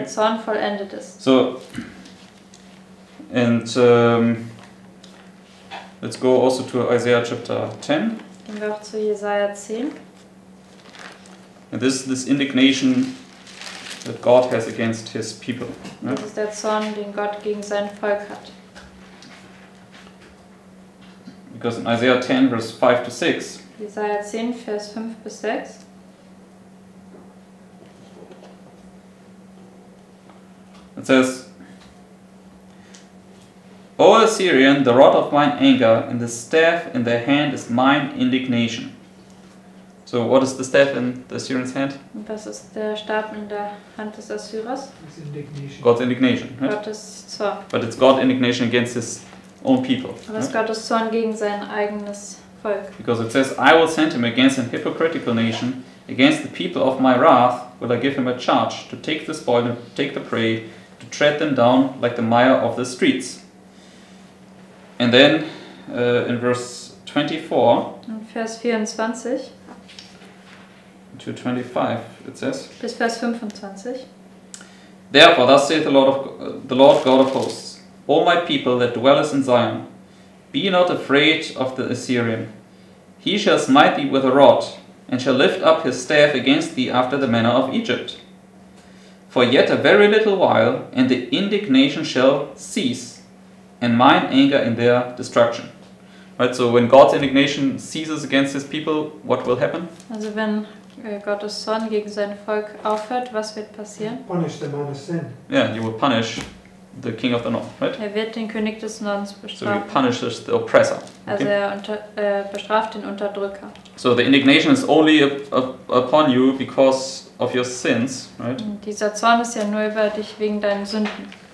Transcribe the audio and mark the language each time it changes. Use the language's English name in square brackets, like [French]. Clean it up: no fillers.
[German] Der Zorn vollendet ist. [English] So, and let's go also to Isaiah chapter 10. [German] Gehen wir auch zu Jesaja 10. [English] And this indignation that God has against his people. [German] Das ist der Zorn, den Gott gegen sein Volk hat. [English] Because in Isaiah 10, verse 5 to 6. [German] Jesaja 10, Vers 5 bis 6. [English] It says, O Assyrian, the rod of mine anger and the staff in their hand is mine indignation. So what is the staff in the Assyrian's hand? [German] Was ist der Stab in der Hand des Assyrers? [English] Indignation. God's indignation. Right? [German] Gottes Zorn. [English] But it's God's indignation against his own people. [German] Aber es ist Gottes Zorn gegen sein eigenes Volk. [English] Because it says, I will send him against an hypocritical nation, against the people of my wrath, will I give him a charge to take the spoil and take the prey, to tread them down like the mire of the streets. And then in verse 24, [German] Vers 24 [English] to 25, it says, [German] bis Vers 25. [English] Therefore, thus saith the Lord God of hosts, all my people that dwellest in Zion, be not afraid of the Assyrian. He shall smite thee with a rod, and shall lift up his staff against thee after the manner of Egypt. For yet a very little while, and the indignation shall cease, and mine anger in their destruction. Right, so when God's indignation ceases against his people, what will happen? [German] Also wenn Gottes Zorn gegen sein Volk aufhört, was wird passieren? [English] Punish the man of sin. Yeah, you will punish the king of the north, right? [German] Er wird den König des Nordens bestrafen. [English] So he punishes the oppressor. Okay? [German] Also bestraft den Unterdrücker. [English] So the indignation is only upon you because of your sins, right? [German] Und dieser Zorn ist ja nur über dich wegen deinen Sünden.